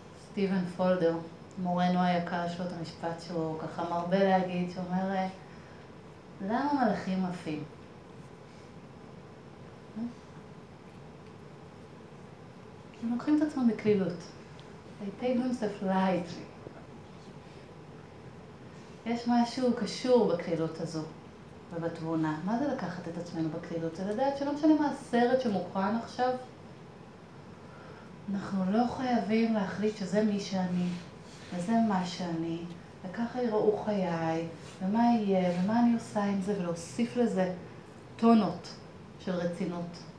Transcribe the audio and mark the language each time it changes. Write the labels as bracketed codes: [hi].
[he] סטיבן פולדר, מורנו היקר שלו את המשפט שהוא ככה מרבה להגיד, שאומר, למה מלאכים עפים? כי הם לוקחים את עצמם בקלילות. [en] They take themselves lightly. [he] יש משהו קשור בקלילות הזו ובתבונה. מה זה לקחת את עצמנו בקלילות? זה לדעת שלא משנה מה הסרט שמוכן עכשיו, אנחנו לא חייבים להחליט שזה מי שאני, וזה מה שאני, וככה יראו חיי, ומה יהיה, ומה אני עושה עם זה, ולהוסיף לזה טונות של רצינות.